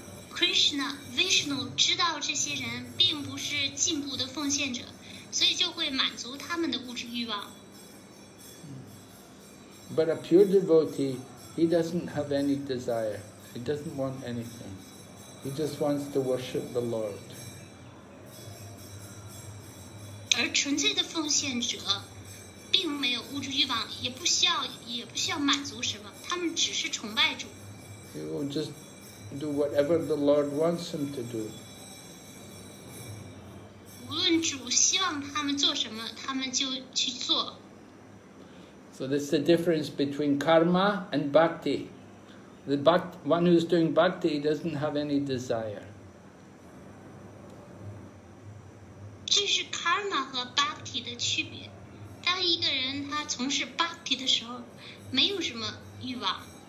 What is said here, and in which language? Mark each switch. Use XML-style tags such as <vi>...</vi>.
<zh>Krishna, Vishnu 知道这些人并不是进步的奉献者，所以就会满足他们的物质欲望。</zh> <en>But a pure devotee, he doesn't have any desire. He doesn't want anything. He just wants to worship the Lord.</en> <zh>纯粹的奉献者并没有物质欲望，也不需要满足什么，他们只是崇拜主。</zh> <en>He will just do whatever the Lord wants him to do.</en> <zh>无论主希望他们做什么，他们就去做。</zh> <en>So that's the difference between karma and bhakti. The one who's doing bhakti doesn't have any desire.</en> <zh>这是 karma 和 bhakti 的区别。当一个人他从事 bhakti 的时候，没有什么欲望。</zh>